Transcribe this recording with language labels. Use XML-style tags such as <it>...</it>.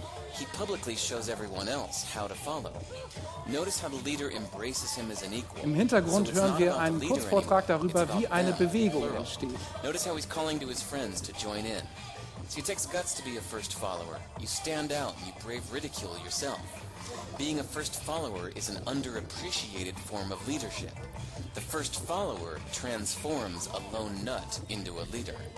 <en>He publicly shows everyone else how to follow. Notice how the leader embraces him as an equal.</en> <de>Im Hintergrund hören wir einen Kurzvortrag darüber, wie eine Bewegung entsteht.</de> <en>Notice how he's calling to his friends to join in. See, it takes guts to be a first follower. You stand out and you brave ridicule yourself. Being a first follower is an underappreciated form of leadership. The first follower transforms a lone nut into a leader.</en>